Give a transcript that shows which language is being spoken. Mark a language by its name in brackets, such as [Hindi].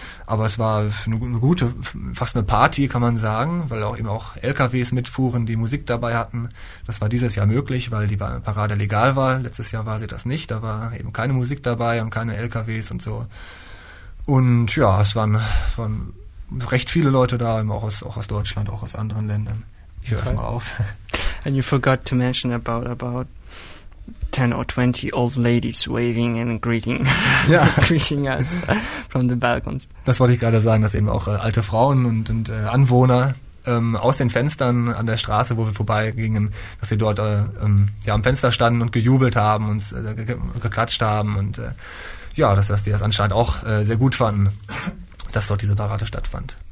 [German] Aber es war eine gute, fast eine Party, kann man sagen, weil auch LKWs mitfuhren, die Musik dabei hatten. Das war dieses Jahr möglich, weil die Parade legal war. Letztes Jahr war sie das nicht, da war eben keine Musik dabei und keine LKWs und so. Und ja, es waren recht viele Leute da, eben auch aus Deutschland, auch aus anderen Ländern. Ich höre es mal auf. [English] And you forgot to mention about 10 or 20 old ladies waving and greeting, yeah. greeting us from the balcons. [German] Das wollte ich gerade sagen, dass eben auch alte Frauen und Anwohner aus den Fenstern an der Straße, wo wir vorbeigingen, dass sie dort am Fenster standen und gejubelt haben und geklatscht haben. Und dass die das anscheinend auch sehr gut fanden, dass dort diese Parade stattfand.